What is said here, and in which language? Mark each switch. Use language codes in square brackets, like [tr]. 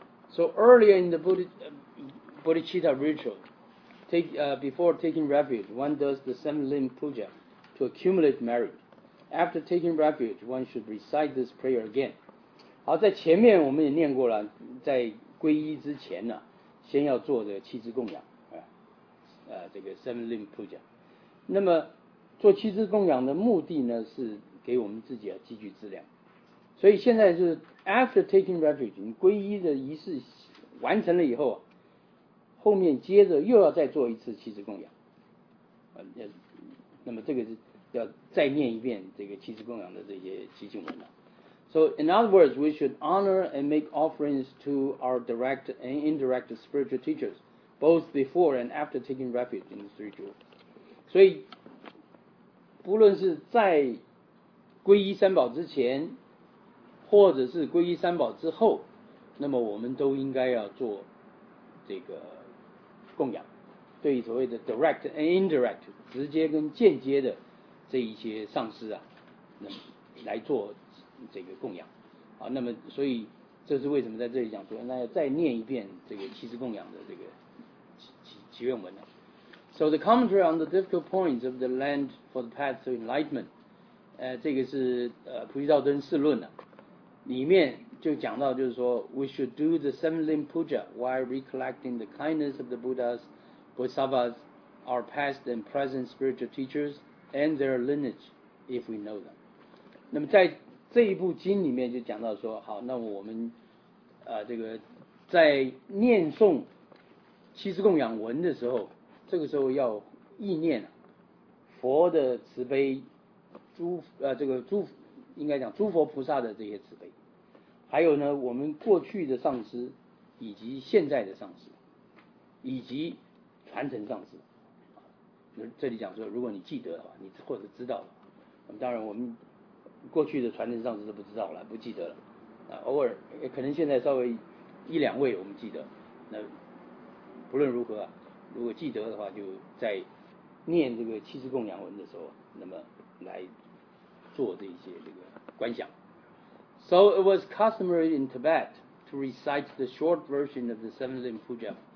[en] So earlier in the Bodhicitta ritual, before taking refuge, one does the seven limb puja to accumulate merit. After taking refuge, one should recite this prayer again. [zh] 好，在前面我们也念过了，在皈依之前呢、啊。先要做这个七支供养，这个 seven limb puja。那么做七支供养的目的呢，是给我们自己要积聚资粮。所以现在就是 after taking refuge，你皈依的仪式完成了以后，后面接着又要再做一次七支供养。那么这个是要再念一遍这个七支供养的这些七经文了。 [en] So in other words, we should honor and make offerings to our direct and indirect spiritual teachers, both before and after taking refuge in the three jewels. [zh] 所以，不论是在皈依三宝之前，或者是皈依三宝之后，那么我们都应该要做这个供养，对于所谓的 direct and indirect 直接跟间接的这一些上师啊，那么来做。这个供养啊，那么所以这是为什么在这里讲说，那要再念一遍这个七支供养的这个祈愿文呢。 [en] So the commentary on the difficult points of the land for the path to enlightenment，这个是菩提道敦释论的、啊、里面就讲到，就是说 we should do the seven limb puja while recollecting the kindness of the Buddhas, Bodhisattvas, our past and present spiritual teachers and their lineage if we know them。 [zh] 那么在这一部经里面就讲到说，好，那我们这个在念诵七支供养文的时候，这个时候要意念佛的慈悲，诸佛菩萨的这些慈悲，还有呢我们过去的上师以及现在的上师以及传承上师。这里讲说，如果你记得的话，你或者知道的话，当然我们过去的传承上师都不知道了，不记得了。偶尔也可能现在稍微一两位我们记得。那不论如何、啊，如果记得的话，就在念这个七支供养文的时候，那么来做这些这个观想。 [en] So it was customary in Tibet to recite the short version of the seven limb puja